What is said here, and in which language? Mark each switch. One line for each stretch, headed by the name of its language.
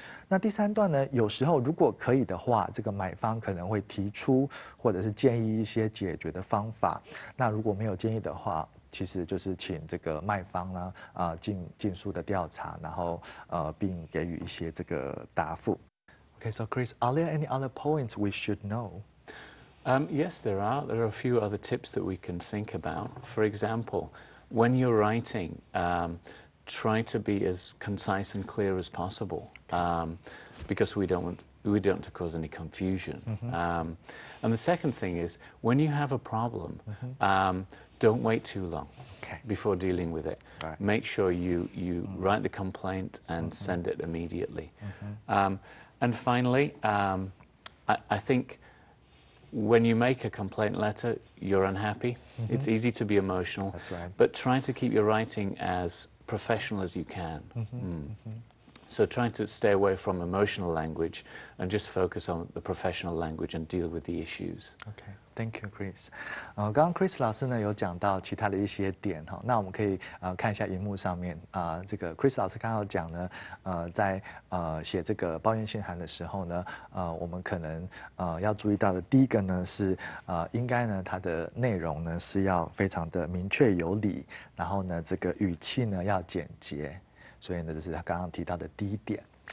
Chinese: 那第三段呢，有时候如果可以的话，这个买方可能会提出或者是建议一些解决的方法。那如果没有建议的话，其实就是请这个卖方呢，尽速的调查，然后并给予一些这个答复。
English: Okay, so Chris, are there any other points we should know? Yes, there are. There are a few other tips that we can think about. For example, when you're writing, try to be as concise and clear as possible, because we don't want to cause any confusion. Mm-hmm. And the second thing is, when you have a problem, don't wait too long before dealing with it. Right. Make sure you write the complaint and send it immediately. Mm-hmm. And finally, I think when you make a complaint letter, you're unhappy. Mm-hmm. It's easy to be emotional. That's right. But try to keep your writing as professional as you can. Mm-hmm. Mm-hmm. So try to stay away from emotional language and just focus on the professional language and deal with the issues. Okay. Thank you, Chris.
Chinese: 刚刚 Chris 老师呢有讲到其他的一些点哈，那我们可以看一下荧幕上面这个 Chris 老师刚刚讲呢，在写这个抱怨信函的时候呢，我们可能要注意到的第一个呢是应该呢它的内容呢是要非常的明确有理，然后呢这个语气呢要简洁，所以呢这是他刚刚提到的第一点。